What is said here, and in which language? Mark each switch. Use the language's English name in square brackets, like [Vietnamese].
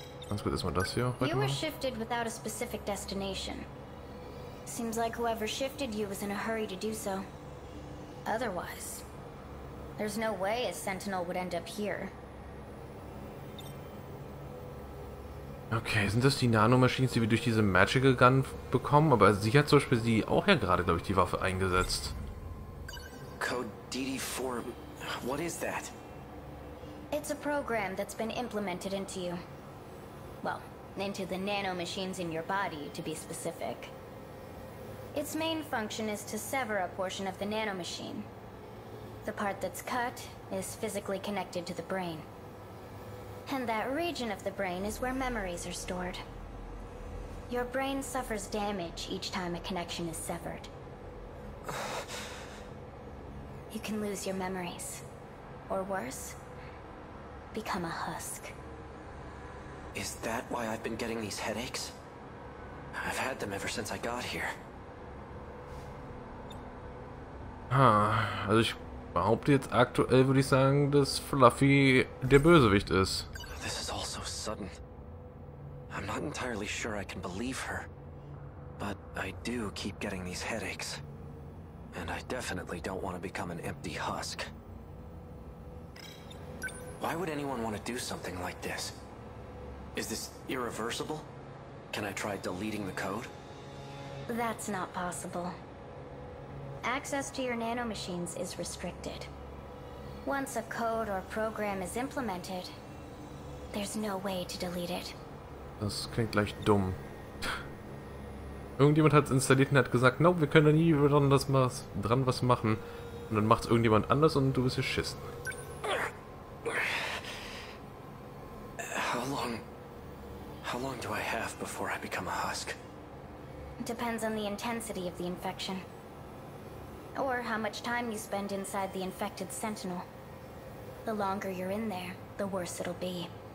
[English] Let's put this one does here. You were shifted without a specific destination. Seems like whoever shifted you was in a hurry to do so. Otherwise, there's no way a Sentinel would end up here. [German] Okay, sind das die Nanomachines, die wir durch diese Magical Gun bekommen? Aber sie hat zum Beispiel sie auch ja gerade, glaube ich, die Waffe eingesetzt. [English] Code DD4, what is that? It's a program that's been implemented into you. Well, into the nanomachines in your body, to be specific. Its main function is to sever a portion of the nanomachine. The part that's cut is physically connected to the brain. And that region of the brain is where memories are stored. Your brain suffers damage each time a connection is severed. You can lose your memories. Or worse, become a husk. Is that why I've been getting these headaches? I've had them ever since I got here. [German] Also ich behaupte jetzt aktuell, würde ich sagen, dass Fluffy der Bösewicht ist. [English] This is all so sudden. I'm not entirely sure I can believe her. But I do keep getting these headaches. And I definitely don't want to become an empty husk. Why would anyone want to do something like this? Is this irreversible? Can I try deleting the code? That's not possible. Access to your nanomachines is restricted. Once a code or program is implemented, there's no way to delete it. [German] Das klingt gleich dumm. Irgendjemand hat es installiert und hat gesagt, nope, wir können da nie wieder dran was machen. Und dann macht es irgendjemand anders und du bist geschissen. [English] How long do I have before I become a husk? Depends on the intensity of the infection. Or how much time you spend inside the infected sentinel. The longer you're in there, the worse it'll be.